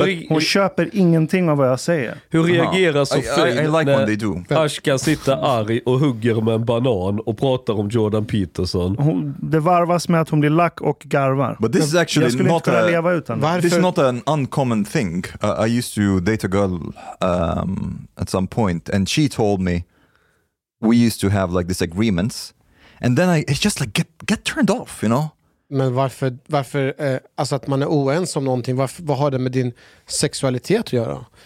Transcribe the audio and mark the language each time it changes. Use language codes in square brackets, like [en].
[sv] Hon köper ingenting av vad jag säger. Hur reagerar Sofie när Ashka sitter arg och hugger med en banan och pratar om Jordan Peterson? Det varvas med att hon blir lack och garvar. [en] But this is actually not an uncommon thing. I used to date a girl at some point and she told me we used to have like disagreements and then it's just like get turned off, you know? [sv] Men varför alltså att man är oense om någonting, vad har det med din sexualitet att göra?